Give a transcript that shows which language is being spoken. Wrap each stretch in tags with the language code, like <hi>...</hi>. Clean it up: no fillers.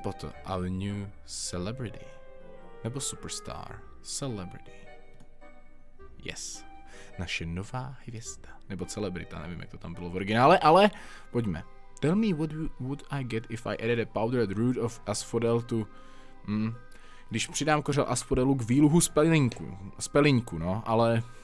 <en>Potter, our new celebrity. Nebo superstar, celebrity.</en> <cs>Yes, naše nová hvězda, nebo celebrita, nevím, jak to tam bylo v originále, ale pojďme.</cs> <en>Tell me what would I get if I added a powdered root of asphodel to...</en> <cs>Když přidám kořel asphodelu k výluhu spelinku, no, ale...</cs>